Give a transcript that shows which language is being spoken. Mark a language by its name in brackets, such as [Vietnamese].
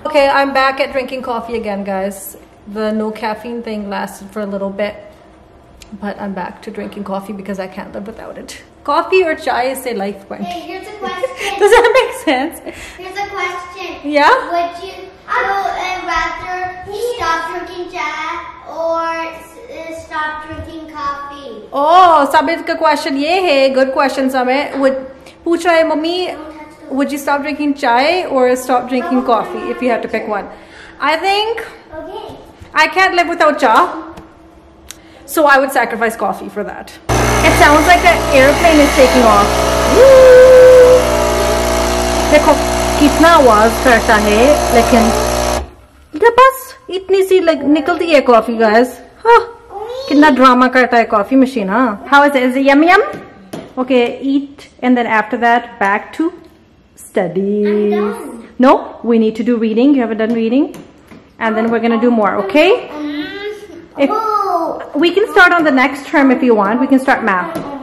[English] Okay, I'm back at drinking coffee again, guys. The no caffeine thing lasted for a little bit, but I'm back to drinking coffee because I can't live without it. Coffee or chai is a life point. Okay, here's a question. Does that make sense? Here's a question. Yeah? Would you rather stop drinking chai or stop drinking coffee? [Hindi] ओह, समित का question ये है. [English] Good question, Samit. Would [Hindi] pooch rahe mummy, [English] would you stop drinking chai or stop drinking coffee if you have to pick one? I think I can't live without cha. So I would sacrifice coffee for that. It sounds like an airplane is taking off. [Hindi] देखो कितना आवाज़ करता है, लेकिन ये बस इतनी सी like निकलती है कॉफ़ी, guys. कितना ड्रामा करता है coffee machine, हुह? [English] How is it? Is it yum yum? Okay, eat and then after that back to studies. I'm done. No, we need to do reading. You haven't done reading? And then we're gonna do more, okay? If, we can start on the next term if you want. We can start math.